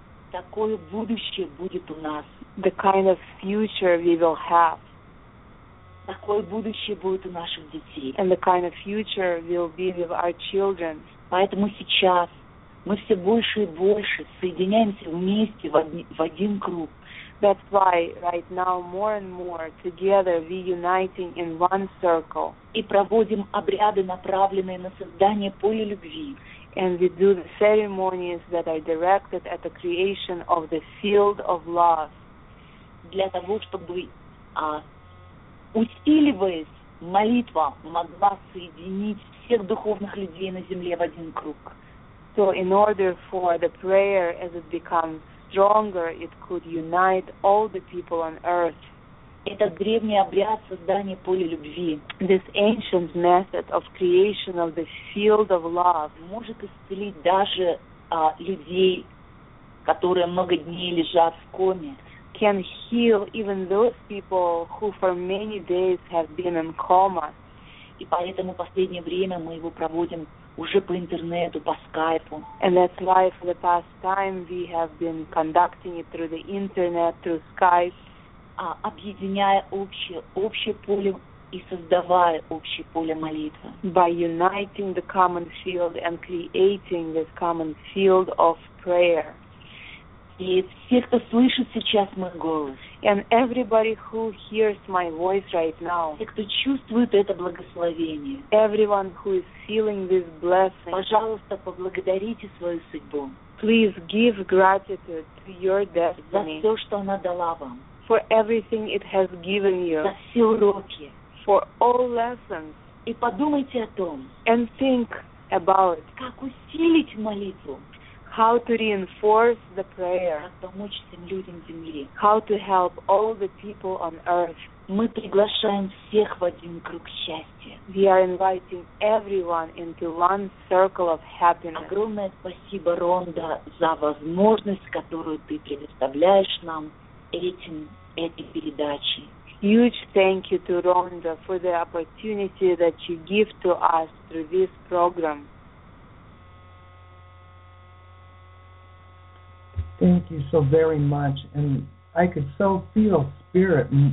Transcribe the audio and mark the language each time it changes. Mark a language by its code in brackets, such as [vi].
[ru] Такое будущее будет у нас. [en] The kind of future we will have. [ru] Такое будущее будет у наших детей. [en] And the kind of future will be with our children. [ru] Поэтому сейчас мы все больше и больше соединяемся вместе в один круг. [en] That's why right now more and more together we uniting in one circle. [ru] И проводим обряды, направленные на создание поля любви. [en] And we do the ceremonies that are directed at the creation of the field of love. [ru] Для того, чтобы усиливаясь, молитва могла соединить всех духовных людей на земле в один круг. [en] So in order for the prayer, as it becomes stronger, it could unite all the people on earth. [ru] Этот древний обряд создания поля любви, [en] this ancient method of creation of the field of love, [ru] может исцелить даже людей, которые много дней лежат в коме, [en] can heal even those people who for many days have been in coma. [ru] И поэтому в последнее время мы его проводим уже по интернету, по скайпу. [en] And that's why for the past time we have been conducting it through the internet, through Skype. [ru] Объединяя общее поле и создавая общее поле молитвы. [en] By uniting the common field and creating this common field of prayer. [ru] И все, кто слышит сейчас мой голос. [en] And everybody who hears my voice right now. [ru] Все, кто чувствует это благословение. [en] Everyone who is feeling this blessing. [ru] Пожалуйста, поблагодарите свою судьбу. [en] Please give gratitude to your destiny. [ru] За все, что она дала вам. [en] For everything it has given you. [ru] За все уроки. [en] For all lessons. [ru] И подумайте о том. [en] And think about. [ru] Как усилить молитву. [en] How to reinforce the prayer. [ru] Как помочь всем людям земли. [en] How to help all the people on earth. [ru] Мы приглашаем всех в один круг счастья. [en] We are inviting everyone into one circle of happiness. [ru] Огромное спасибо, Ронда, за возможность, которую ты предоставляешь нам этой передачи. [en] Huge thank you to Rhonda for the opportunity that you give to us through this program. Thank you so very much, and I could so feel spirit